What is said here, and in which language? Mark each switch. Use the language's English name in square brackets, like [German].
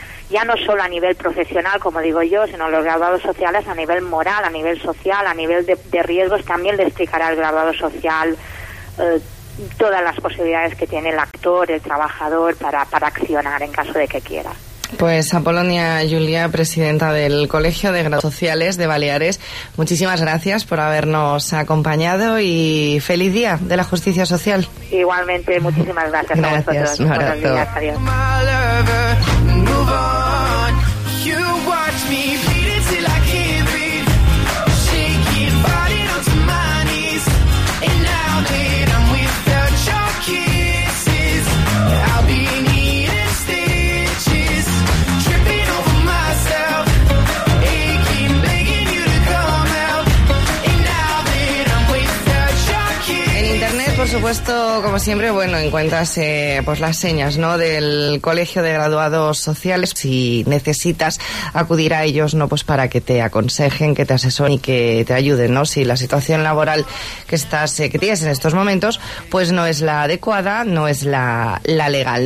[Spanish] ya no solo a nivel profesional, como digo yo, sino los graduados sociales a nivel moral, a nivel social, a nivel de riesgos, también le explicará el graduado social todas las posibilidades que tiene el actor, el trabajador, para accionar en caso de que quiera. Pues Apolonia Julia, presidenta del Colegio de Graduados Sociales de Baleares, muchísimas gracias por habernos acompañado y feliz Día de la Justicia Social. Igualmente, muchísimas gracias, gracias a vosotros. Gracias, un abrazo. Buenos días, adiós. [English] Move on, you watch me bleed until I can't breathe, shaking body onto my knees, and now that I'm without your kisses, I'll be needing stitches, tripping over myself, aching, begging you to come out, and now that I'm without your kisses. [Spanish] En internet, por supuesto, como siempre, bueno, encuentras pues las señas, ¿no?, del Colegio de Graduados Sociales. Si necesitas acudir a ellos, ¿no?, pues para que te aconsejen, que te asesoren y que te ayuden, ¿no? Si la situación laboral que estás que tienes en estos momentos pues no es la adecuada, no es la legal.